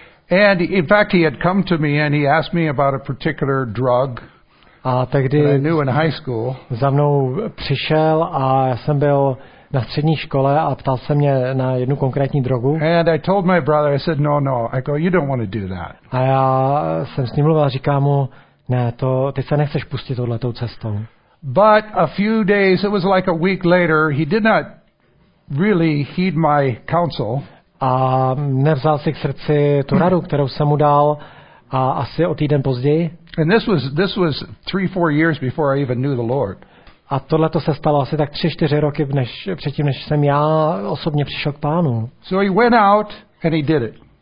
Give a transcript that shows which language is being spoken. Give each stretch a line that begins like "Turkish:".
English: And in fact he had come to me and he asked me about a particular drug.
Czech: A tehdy
English: that I knew in high school.
Czech: Za mnou přišel a já jsem byl na střední škole a ptal se mě na jednu konkrétní drogu.
English: And I told my brother, I said, no, I go, you don't want to do that.
Czech: A já jsem s ním mluvil a říkám mu, ne, to ty se nechceš pustit touhletou cestou.
English: But a few days, it was like a week later, he did not really heed my counsel.
Czech: A nevzal si k srdci tu radu, kterou jsem mu dal, a asi o týden později.
English: And this was 3-4 years before I even knew the Lord.
Czech: A tohle to se stalo asi tak 3-4 roky předtím, než jsem já osobně přišel k Pánu.
English: So he went out and he did it.